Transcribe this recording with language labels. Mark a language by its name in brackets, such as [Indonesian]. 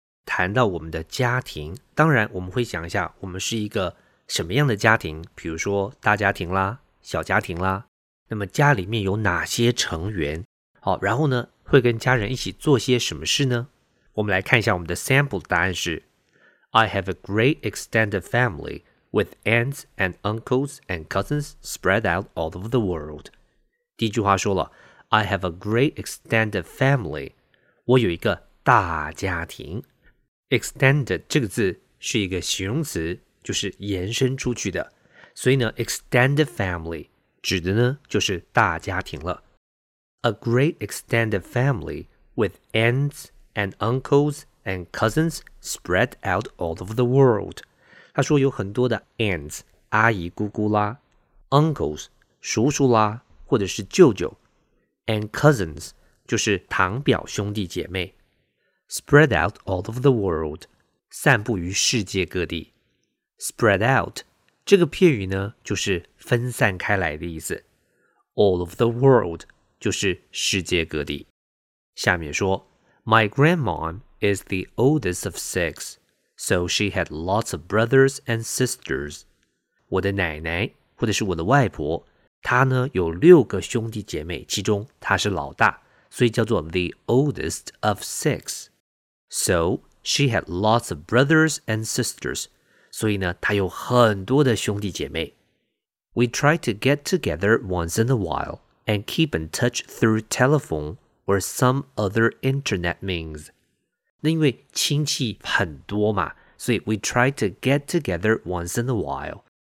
[Chinese] 谈到我们的家庭，当然我们会想一下我们是一个什么样的家庭，比如说大家庭啦，小家庭啦，那么家里面有哪些成员，好，然后呢会跟家人一起做些什么事呢？我们来看一下我们的 sample 答案是 [English] I have a great extended family with aunts and uncles and cousins spread out all over the world. [Chinese] 第一句话说了 [English] I have a great extended family， [Chinese] 我有一个大家庭。Extended 这个字是一个形容词，就是延伸出去的，所以呢 Extended family 指的呢就是大家庭了。 [English] A great extended family with aunts and uncles and cousins spread out all over the world. [Chinese] 他说有很多的 aunts 阿姨姑姑啦， uncles 叔叔啦，或者是舅舅， [English] and cousins [Chinese] 就是堂表兄弟姐妹 [English] ，spread out all over the world， [Chinese] 散布于世界各地。 [English] spread out [Chinese] 这个片语呢，就是分散开来的意思。 [English] all of the world [Chinese] 就是世界各地。下面说 [English] ，My grandmom is the oldest of six， so she had lots of brothers and sisters。 [Chinese] 我的奶奶或者是我的外婆，她呢有六个兄弟姐妹，其中她是老大。所以叫做 [English] the oldest of six. So, she had lots of brothers and sisters. [Chinese] 所以呢，她有很多的兄弟姐妹。 [English] We try to get together once in a while and keep in touch through telephone or some other internet means. [Chinese] 那因为亲戚很多嘛，所以 [English] we try to get together once in a while.